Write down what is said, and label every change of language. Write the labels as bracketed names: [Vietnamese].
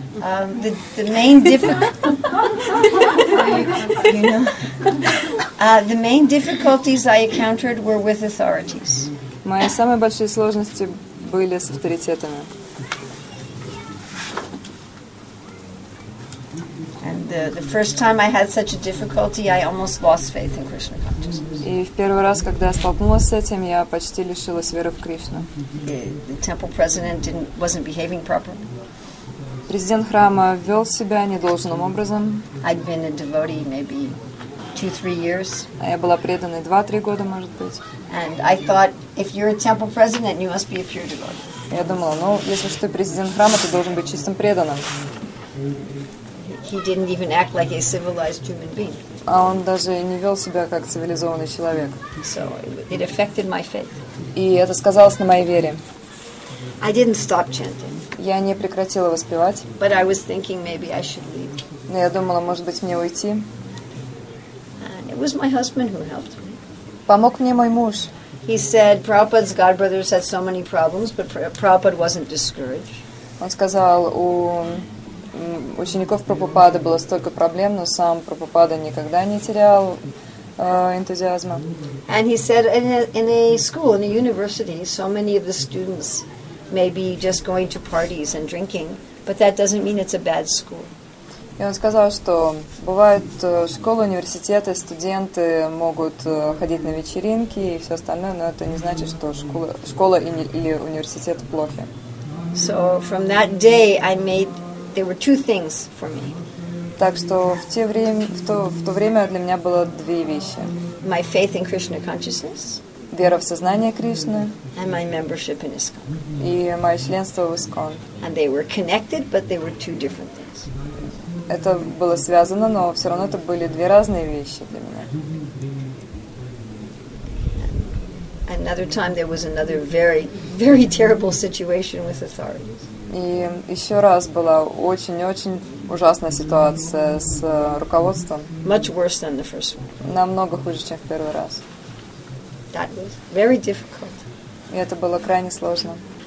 [English] The main the main difficulties I encountered were with authorities. [Russian] Мои самые большие сложности были с авторитетами. [English] The first time I had such a difficulty, I almost lost faith in Krishna consciousness. [Russian] И в первый раз, когда я столкнулась с этим, я почти лишилась веры в Кришну. [English] The temple president wasn't behaving properly. [Russian] Президент храма вел себя недолжным образом. [English] I'd been a devotee maybe 2-3 years. [Russian] А я была преданной 2-3 года, может быть. [English] And I thought, if you're a temple president, you must be a pure devotee. [Russian] Я думала, ну, если ты президент храма, ты должен быть чистым преданным. [English] He didn't even act like a civilized human being. [Russian] А он даже не вел себя как цивилизованный человек. [English] So it affected my faith. [Russian] И это сказалось на моей вере. [English] I didn't stop chanting. [Russian] Я не прекратила воспевать. [English] But I was thinking maybe I should leave. [Russian] Но я думала, может быть, мне уйти. [English] And it was my husband who helped me. [Russian] Помог мне мой муж. [English] He said Prabhupada's godbrothers had so many problems, but Prabhupada wasn't discouraged. [Russian] Он сказал, у учеников Прабхупады было столько проблем, но сам Прабхупада никогда не терял энтузиазма. [English] And he said in a school, in a university, so many of the students may be just going to parties and drinking, but that doesn't mean it's a bad school. [Russian] И он сказал, что бывают школы, университеты, студенты могут ходить на вечеринки и все остальное, но это не значит, что школа или университет плохи. [English] So from that day I made there were 2 things for me. [Russian] Так что в то время для меня было 2 вещи. [English] My faith in Krishna consciousness. [Russian] Вера в сознание Кришны. [English] And my membership in ISKCON. [Russian] И мое членство в ISKCON. [English] And they were connected, but they were 2 different things. [Russian] Это было связано, но все равно это были 2 разные вещи для меня. [English] Another time there was another very, very terrible situation with authorities. [Russian] И еще раз была очень-очень ужасная ситуация с руководством. [English] Much worse than the first one. [Russian] Намного хуже, чем в первый раз. [English] That was very difficult. [Russian] И это было крайне сложно.